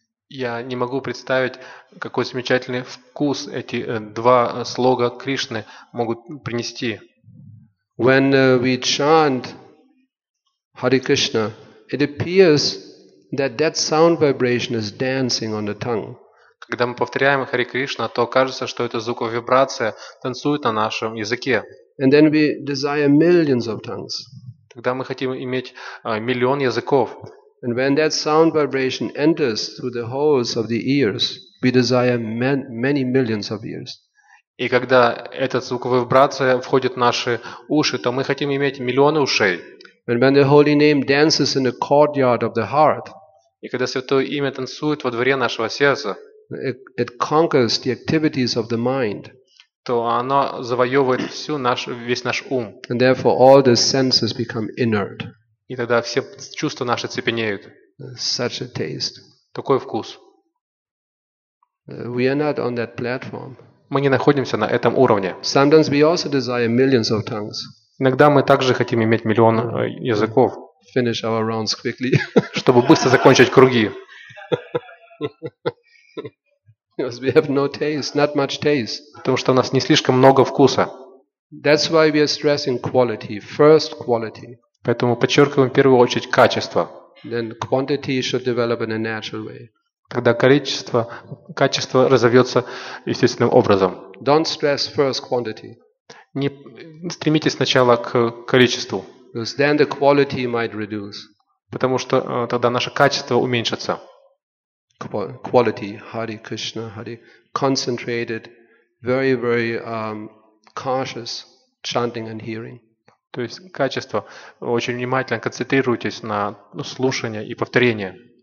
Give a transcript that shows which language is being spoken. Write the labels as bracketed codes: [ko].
[ru] Я не могу представить, какой замечательный вкус эти два слога Кришны могут принести. [en] When we chant Hare Krishna, it appears that that sound vibration is dancing on the tongue. [ru] Когда мы повторяем Hare Krishna, то кажется, что эта звуковая вибрация танцует на нашем языке. [en] And then we desire millions of tongues. [ru] Тогда мы хотим иметь миллион языков. [en] And when that sound vibration enters through the holes of the ears, we desire many millions of ears. [ru] И когда эта звуковая вибрация входит в наши уши, то мы хотим иметь миллионы ушей. [en] And when the holy name dances in the courtyard of the heart, [ru] и когда святое имя танцует во дворе нашего сердца, [en] it conquers the activities of the mind, [ru] то оно завоевывает всю наш, весь наш ум. [en] And therefore all the senses become inert. [ru] И тогда все чувства наши цепенеют. [en] Such a taste. [ru] Такой вкус. [en] We are not on that platform. [ru] Мы не находимся на этом уровне. [en] Sometimes we also desire millions of tongues. [ru] Иногда мы также хотим иметь миллион языков. [en] Finish our rounds quickly. [ru] Чтобы быстро закончить круги. [en] Because we have no taste, not much taste. [ru] Потому что у нас не слишком много вкуса. [en] That's why we are stressing quality, first quality. [ru] Поэтому подчеркиваем в первую очередь качество. [en] Then quantity should develop in a natural way. [ru] Тогда качество разовьется естественным образом. [en] Don't stress first quantity. [ru] Не стремитесь сначала к количеству. [en] Because then the quality might reduce. [ru] Потому что тогда наше качество уменьшится. [en] Quality, Hare Krishna, Hare, concentrated, very, very cautious chanting and hearing. [ru] То есть качество. Очень внимательно концентрируйтесь на слушание и повторение.